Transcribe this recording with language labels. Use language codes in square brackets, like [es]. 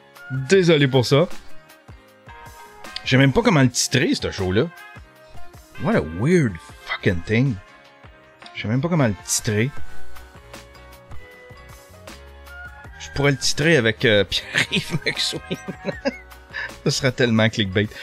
[fr] Désolé pour ça. J'ai même pas comment le titrer, ce show-là. [en] What a weird fucking thing. [fr] J'ai même pas comment le titrer. Je pourrais le titrer avec Pierre-Yves McSween. Ce sera tellement clickbait.